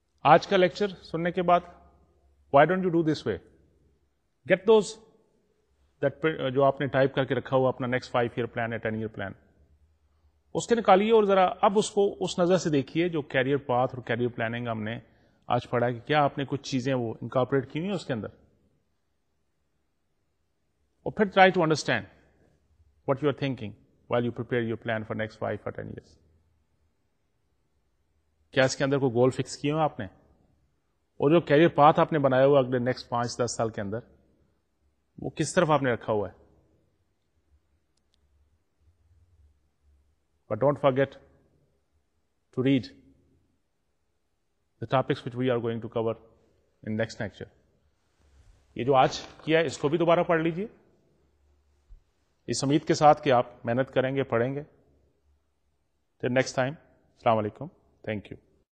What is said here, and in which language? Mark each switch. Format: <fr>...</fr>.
<ur>آج کا لیکچر سننے کے بعد</ur> <en>why don't you do this way, get those that</en> <ur>جو آپ نے ٹائپ کر کے رکھا ہوا اپنا</ur> <en>next 5-year plan</en> <ur>یا 10-year plan, اس کے نکالیے اور ذرا اب اس کو اس نظر سے دیکھیے جو کیریئر پاتھ اور کیریئر پلاننگ ہم نے آج پڑھا ہے, کہ کیا آپ نے کچھ چیزیں وہ انکارپوریٹ کی ہوئی اس کے اندر, اور پھر</ur> <en>try to understand what you are thinking while you prepare your plan for next 5 or 10 years.</en> <ur>کیا اس کے اندر کوئی گول فکس کیے ہوئے آپ نے اور جو کیریئر پاتھ آپ نے بنایا ہوا اگلے نیکسٹ 5-10 سال کے اندر وہ کس طرف آپ نے رکھا ہوا ہے.</ur> <en>But don't forget to read the topics which we are going to cover in next lecture.</en> <ur>یہ جو آج کیا ہے اس کو بھی دوبارہ پڑھ لیجیے اس امید کے ساتھ کہ آپ محنت کریں گے, پڑھیں گے.</ur> <en>till next time,</en> <ur>السلام علیکم, تھینک یو.</ur>